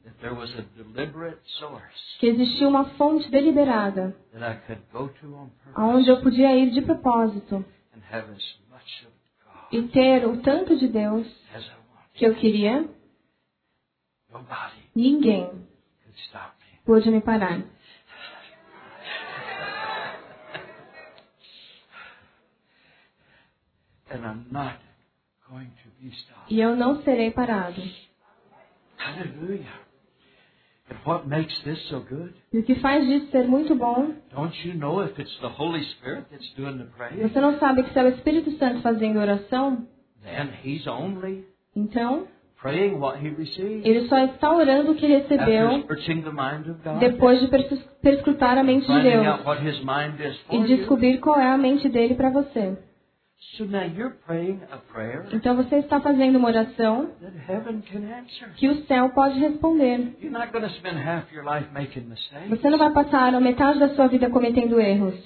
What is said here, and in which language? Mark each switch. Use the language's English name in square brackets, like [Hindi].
[English] there was a deliberate source [Portuguese] que existia uma fonte deliberada [English] that I could go to on purpose, [Portuguese] aonde eu podia ir de propósito [English] and have as much of God [Portuguese] e ter o tanto de Deus [English] as I [Portuguese] que eu queria. [English] Nobody, [Portuguese] ninguém [English] could stop me. [Portuguese] Pôde me parar. [English] And I'm not going to be stopped. [Portuguese] E eu não serei parado. Aleluia. [English] And what makes this so good? [Portuguese] E o que faz disso ser muito bom? [English] Don't you know if it's the Holy Spirit that's doing the praying? [Portuguese] Você não sabe que se é o Espírito Santo fazendo a oração? [English] Then he's only, [Portuguese] então, [English] praying what he receives. [Portuguese] Ele só está orando o que recebeu. [English] After searching the mind of God, [Portuguese] depois de perscrutar a mente de Deus. [English] Finding out what his mind is for [Portuguese] e descobrir [English] you. [Portuguese] Qual é a mente dele para você. [English] So now you're praying a prayer, [Portuguese] então você está fazendo uma oração [English] that heaven can answer. [Portuguese] Que o céu pode responder. [English] You're not going to spend half your life making mistakes. [Portuguese] Você não vai passar a metade da sua vida cometendo erros.